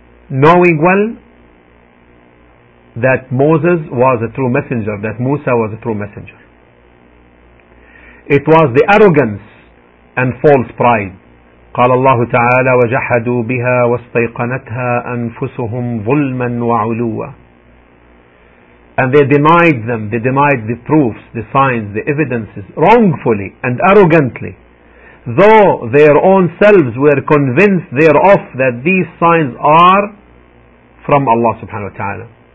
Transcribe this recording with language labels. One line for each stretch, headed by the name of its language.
English: Knowing well that Moses was a true messenger, that Musa was a true messenger. It was the arrogance and false pride.
Arabic: قال الله تعالى وجحدوا بها واستيقنتها أنفسهم ظلما وعلوا.
English: And they denied them, they denied the proofs, the signs, the evidences, wrongfully and arrogantly. Though their own selves were convinced thereof, that these signs are from Allah subhanahu wa ta'ala.